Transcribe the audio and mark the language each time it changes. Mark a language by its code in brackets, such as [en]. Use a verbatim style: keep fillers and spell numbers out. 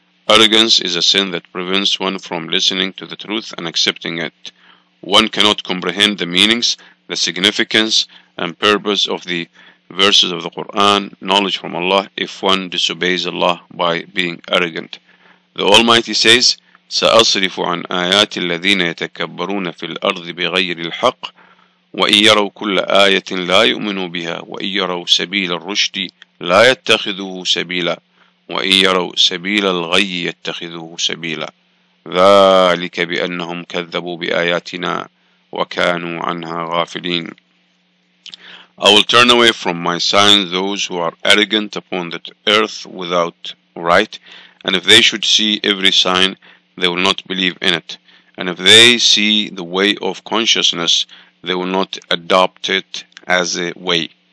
[en] Arrogance is a sin that prevents one from listening to the truth and accepting it. One cannot comprehend the meanings, the significance, and purpose of the verses of the Quran, knowledge from Allah, if one disobeys Allah by being arrogant. The Almighty says, [ar] سأصرف عن آيات الذين يتكبرون في الأرض بغير الحق وإن يروا كل آية لا يؤمنوا بها وإن يروا سبيل الرشد لا يتخذوه سبيلا وإن يروا سبيل الغي يتخذوه سبيلا ذلك بأنهم كذبوا بآياتنا وكانوا عنها غافلين. [en] I will turn away from my signs those who are arrogant upon the earth without right, and if they should see every sign, they will not believe in it. And if they see the way of consciousness, they will not adopt it as a way.